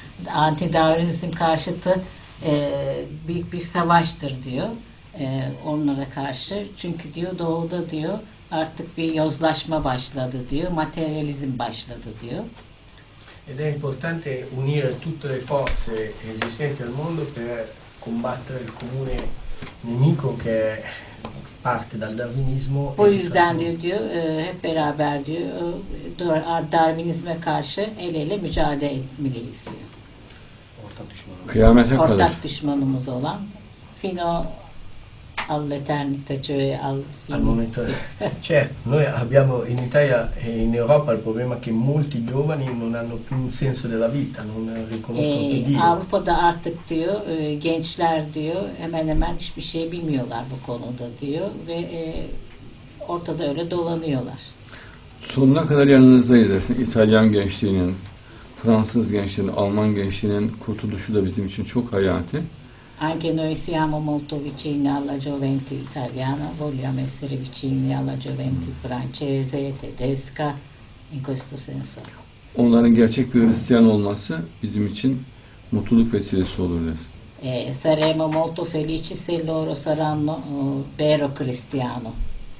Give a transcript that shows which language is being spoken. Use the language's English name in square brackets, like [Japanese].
[Turkish] Antidarwinizm karşıtı büyük bir savaştır diyor. Onlara karşı. Çünkü diyor doğuda diyor artık bir yozlaşma başladı diyor. Materyalizm başladı diyor. [Italian] Ed è importante unire tutte le forze esistenti al mondo per combattere il comune nemico che parte dal darwinismo. [Turkish] Bu yüzden diyor, hep beraber diyor, darwinizme karşı el ele mücadele etmeliyiz diyor. Ortak düşmanımız. Kıyamete kadar. Ortak düşmanımız olan [Italian] fino all'eternità, cioè al momento. Certo, noi abbiamo in Italia e in Europa il problema che molti giovani non hanno più un senso della vita, non riconoscono più Dio. [Turkish] Avrupa'da artık diyor, gençler diyor, hemen hemen hiçbir şey bilmiyorlar bu konuda diyor ve ortada öyle dolanıyorlar. Sonuna kadar yanınızdayız. İtalyan gençliğinin, Fransız gençliğinin, Alman gençliğinin kurtuluşu da bizim için çok hayati. [Italian] Anche noi siamo molto vicini alla gioventù italiana, vogliamo essere vicini alla gioventù francese, tedesca, in questo senso. [Turkish] Onların gerçek bir Hristiyan olması bizim için mutluluk vesilesi olur. [Italian] Saremo molto felici se loro saranno vero cristiano.